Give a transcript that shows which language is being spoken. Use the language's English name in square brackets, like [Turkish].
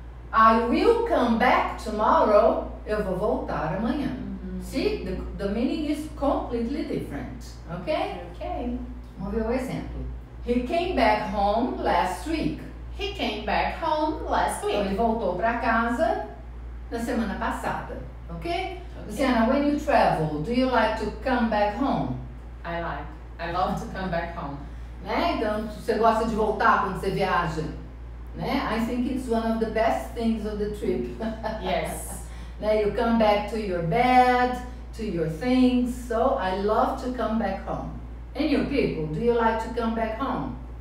[English] I will come back tomorrow, [Portuguese] eu vou voltar amanhã. [English] See, the meaning is completely different. Okay? [Portuguese] Vamos ver o exemplo. [English] He came back home last week. He came back home last week. [Portuguese] Então, ele voltou para casa na semana passada. [English] Okay? Luciana, when you travel, do you like to come back home? I love to come back home. [Portuguese] Né? Então, você gosta de voltar quando você viaja? Né? [English] I think it's one of the best things of the trip. Yes. Now you come back to your bed, to your things. So I love to come back home. And you people, do you like to come back home?